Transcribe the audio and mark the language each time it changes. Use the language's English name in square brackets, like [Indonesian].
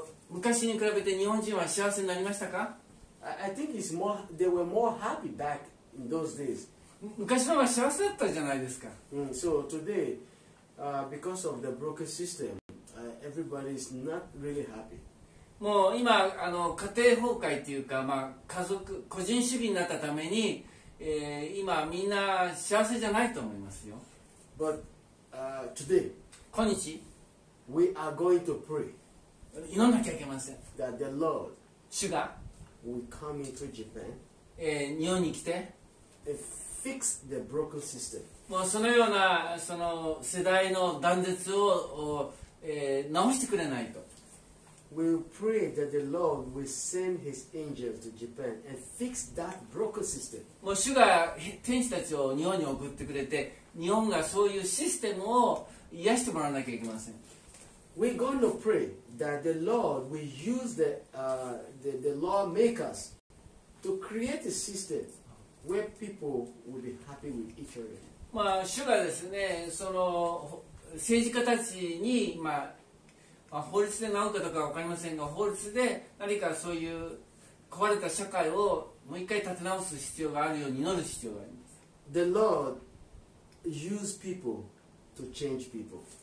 [Japanese] 昔に比べて日本人は幸せになりましたか? [English] I think it's more, they were more happy back in those days. [Japanese] 昔の方が幸せだったじゃないですか。 [English] So today, because of the broken system, everybody is not really happy. [Japanese] もう今、家庭崩壊というか、まあ、家族、個人主義になったために、今みんな幸せじゃないと思いますよ。 [English] But today, [Japanese] 今日、 [English] we are going to pray. [Japanese] 祈らなきゃいけません。 [English] That the Lord [Japanese] 主が [English] will come into Japan, [Japanese] 日本に来て [English] and fix the broken system. [Japanese] もうそのようなその世代の断絶を、直してくれないと。 [English] We'll pray that the Lord will send his angel to Japan and fix that broken system. [Japanese] もう主が天使たちを日本に送ってくれて、日本がそういうシステムを癒してもらわなきゃいけません。 [English] We're going to pray that the Lord will use the lawmakers to create a system where people will be happy with each other. [Japanese] まあ主がですね、その政治家たちに、まあ、まあ法律で何かとかわかりませんが、法律で何かそういう壊れた社会をもう一回立て直す必要があるように祈る必要があります。 [English] The Lord use people to change people.